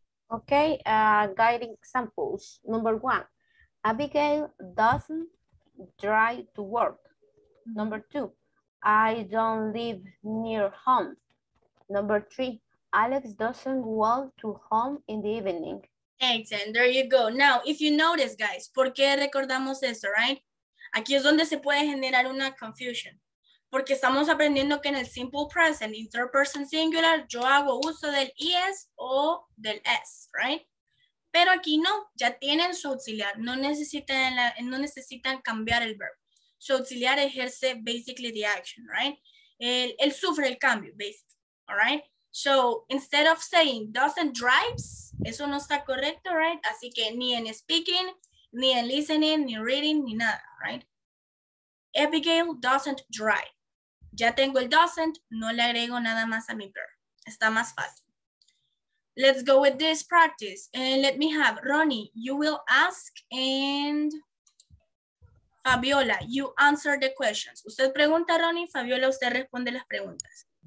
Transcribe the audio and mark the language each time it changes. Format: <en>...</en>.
<en>Okay, guiding examples. Number one, Abigail doesn't drive to work. Number two, I don't live near home. Number three, Alex doesn't walk to home in the evening. Excellent, there you go. Now, if you notice, guys,</en> <es>¿por qué recordamos esto,</es> <en>right?</en> <es>Aquí es donde se puede generar una confusion. Porque estamos aprendiendo que en el simple present,</es> <en>in third person singular,</en> <es>yo hago uso del is o del s, right? Pero aquí no, ya tienen su auxiliar, no necesitan cambiar el verb. Su auxiliar ejerce</es> <en>basically the action, right?</en> <es>Él sufre el cambio,</es> <en>basically, all right? So, instead of saying doesn't drives,</en> <es>eso no está correcto,</es> <en>right?</en> <es>Así que ni en speaking, ni en listening, ni reading, ni nada,</es> <en>right? Abigail doesn't drive.</en> <es>Ya tengo el doesn't, no le agrego nada más a mi verb. Está más fácil.</es> <en>Let's go with this practice. And let me have Ronnie, you will ask, and Fabiola, you answer the questions.</en> <es>Usted pregunta, Ronnie, Fabiola, usted responde las preguntas.</es>